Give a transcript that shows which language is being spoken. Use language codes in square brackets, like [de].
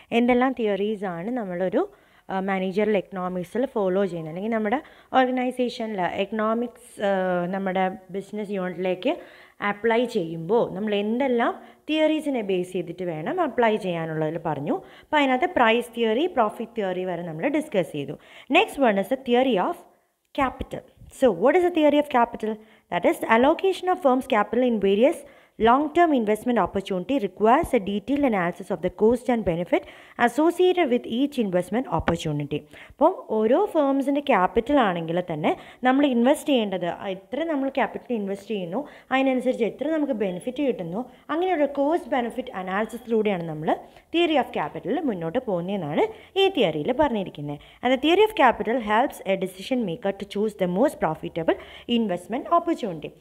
[ml] എന്തെല്ലാം തിയറീസ് ആണ് നമ്മളൊരു മാനേജറൽ എക്കണോമിക്സിൽ ഫോളോ ചെയ്യുന്നത്, അല്ലെങ്കിൽ നമ്മുടെ ഓർഗനൈസേഷനിൽ എക്കണോമിക്സ് നമ്മുടെ ബിസിനസ് യൂണിറ്റിലേക്ക് അപ്ലൈ ചെയ്യുമ്പോൾ നമ്മൾ എന്തെല്ലാം തിയറീസിനെ ബേസ് ചെയ്തിട്ട് വേണം അപ്ലൈ ചെയ്യാനുള്ളതിൽ പറഞ്ഞു. അപ്പോൾ അതിനകത്ത് പ്രൈസ് തിയറി, പ്രോഫിറ്റ് തിയറി വരെ നമ്മൾ ഡിസ്കസ് ചെയ്തു. [en] Next one is the theory of capital. So what is the theory of capital? That is, allocation of firm's capital in various long-term investment opportunity requires a detailed analysis of the cost and benefit associated with each investment opportunity. [ml] അപ്പം ഓരോ ഫേംസിൻ്റെ capital ആണെങ്കിൽ തന്നെ നമ്മൾ invest ചെയ്യേണ്ടത്, എത്ര നമ്മൾ capital invest ചെയ്യുന്നു അതിനനുസരിച്ച് എത്ര നമുക്ക് ബെനിഫിറ്റ് കിട്ടുന്നു, അങ്ങനെയൊരു കോസ്റ്റ് ബെനിഫിറ്റ് അനാലിസിസിലൂടെയാണ് നമ്മൾ തിയറി ഓഫ് ക്യാപിറ്റൽ മുന്നോട്ട് പോകുന്നതെന്നാണ് ഈ തിയറിയിൽ പറഞ്ഞിരിക്കുന്നത്. [en] അത് theory of capital helps a decision maker to choose the most profitable investment opportunity.